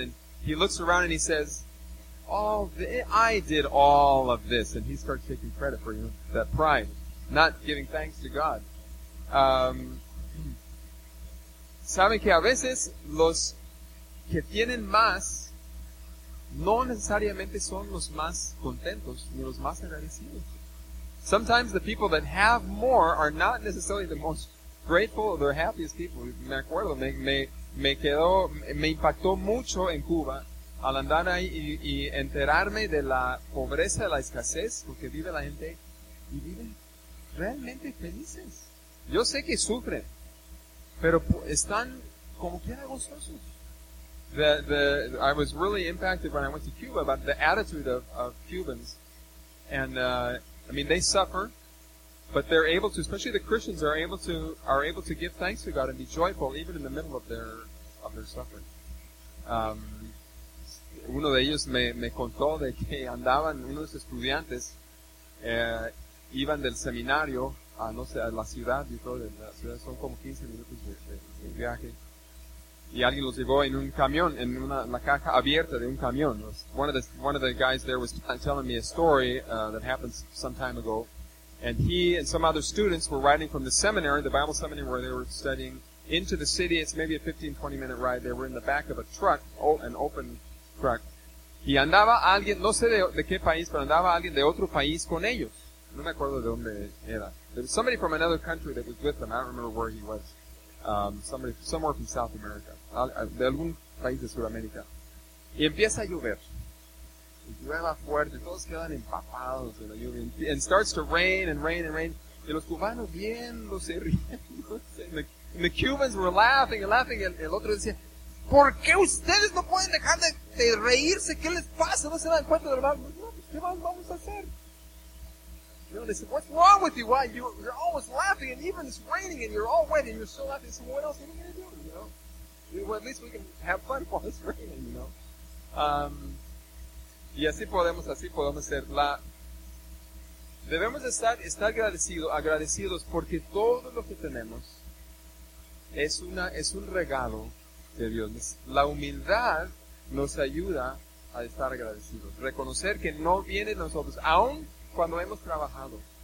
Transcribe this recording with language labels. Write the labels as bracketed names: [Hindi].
[English] And he looks around and he says, I did all of this. And he starts taking credit for, you know, that pride, not giving thanks to God. [Spanish] Saben que a veces los que tienen más no necesariamente son los más contentos ni los más agradecidos. [English] Sometimes the people that have more are not necessarily the most grateful or the happiest people. [Spanish] Me acuerdo, me impactó mucho en Cuba al andar ahí y enterarme de la pobreza, de la escasez, porque vive la gente y viven realmente felices. Yo sé que sufren, pero están como quiera gozosos. [English] I was really impacted when I went to Cuba about the attitude of Cubans. And, I mean, they suffer, but they're able to, especially the Christians, are able to give thanks to God and be joyful even in the middle of their suffering. [Spanish] Uno de ellos me contó de que andaban, uno de sus estudiantes, iban del seminario a, no sé, a la ciudad, y todo, de la ciudad son como 15 minutos de viaje, y alguien los llevó en un camión, en la caja abierta de un camión. [English] One of the guys there was telling me a story that happened some time ago, and he and some other students were riding from the seminary, the Bible seminary where they were studying, into the city. It's maybe a 15-20 minute ride. They were in the back of a truck, an open truck, [Spanish] y andaba alguien, no sé de qué país, pero andaba alguien de otro país con ellos. No me acuerdo de dónde era. [English] There was somebody from another country that was with them. I don't remember where he was. Somebody somewhere from South America. [Spanish] De algún país de Sudamérica. Y empieza a llover. Y llueva fuerte. Todos quedan empapados de la lluvia. [English] And starts to rain and rain and rain. [Spanish] Y los cubanos viéndose riendo. [English] And the Cubans were laughing and laughing. [Spanish] El otro decía, ¿Por qué ustedes no pueden dejar de reírse? ¿Qué les pasa? ¿No se dan cuenta de lo malo? No, pues, ¿qué más vamos a hacer? [English] You know, they said, what's wrong with you? Why? You're always laughing, and even it's raining, and you're all wet, and you're still laughing. So what else are we going to do, you know? Well, at least we can have fun while it's raining, you know? [Spanish] Y así podemos ser la... Debemos estar agradecidos porque todo lo que tenemos es un regalo de Dios. La humildad nos ayuda a estar agradecidos. Reconocer que no viene de nosotros, aun cuando hemos trabajado.